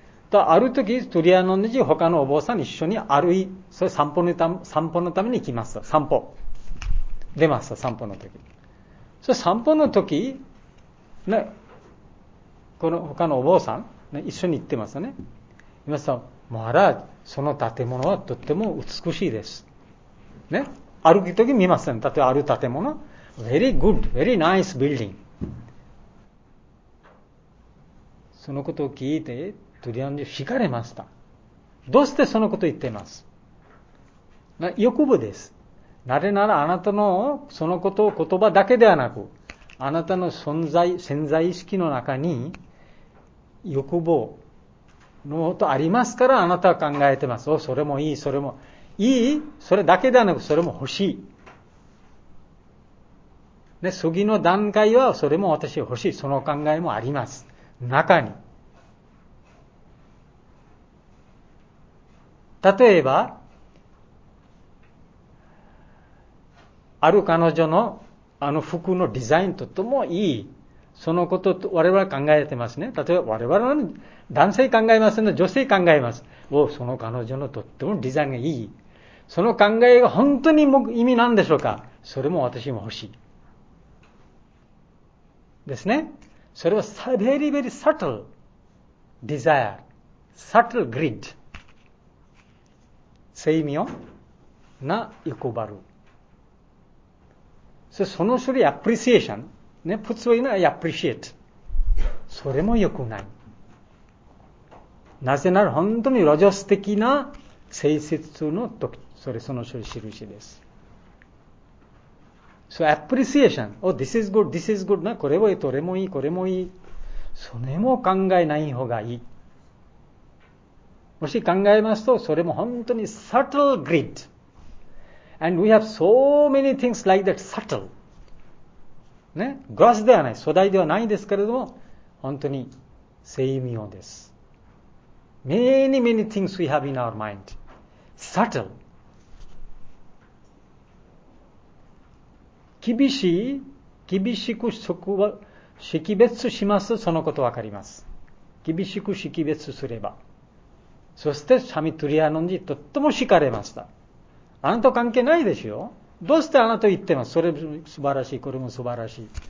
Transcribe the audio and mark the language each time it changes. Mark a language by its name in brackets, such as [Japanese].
[Japanese] とあるとき、トゥリアノンドジ、他のお坊さん一緒に歩い、それ散歩のために行きました。散歩。出ました、散歩のとき。そう、散歩のとき、ね、この他のお坊さん、ね、一緒に行ってますね。今さ、マハラージ、その建物はとっても美しいです。ね、歩くとき見ません、ね。例えばある建物、 [English] very good, very nice building。 [Japanese] そのことを聞いて、トゥリアノンドジ惹かれました。どうしてそのことを言っています？欲望です。なぜならあなたのそのことを言葉だけではなく、あなたの存在、潜在意識の中に欲望のことありますから、あなたは考えています。お、それもいい、それもいい、それだけではなく、それも欲しい。で、次の段階はそれも私欲しい、その考えもあります。中に。例えば、ある彼女のあの服のデザインとともいい、そのことと我々考えてますね。例えば我々の男性考えますので、女性考えます。お、その彼女のとってもデザインがいい。その考えが本当に意味なんでしょうか。それも私も欲しい。ですね。それは [English] very very subtle desire, subtle greed. [Japanese] 精妙な欲張る。そ, その処理アプリシエーション、ね、普通言うのはアプリシエート、それも良くない。なぜなら本当にロジャス的な性質の時、それその処理印です。そアプリシエーション、 [English] oh, this is good, this is good [Japanese] な、これもいい、これもいい、これもいい、それも考えない方がいい。もし考えますと、それも本当に [English] subtle greed。 And we have so many things like that, subtle. [Japanese] ね、gross ではない、粗大ではないですけれども、本当に精妙です。 [English] Many, many things we have in our mind. Subtle. [Japanese] 厳しく識別しますと、そのことわかります。厳しく識別すれば。そして、シャミトリアノンジ、とっても叱れました。あなた関係ないでしょ。どうしてあなた言ってます。それも素晴らしい、これも素晴らしい。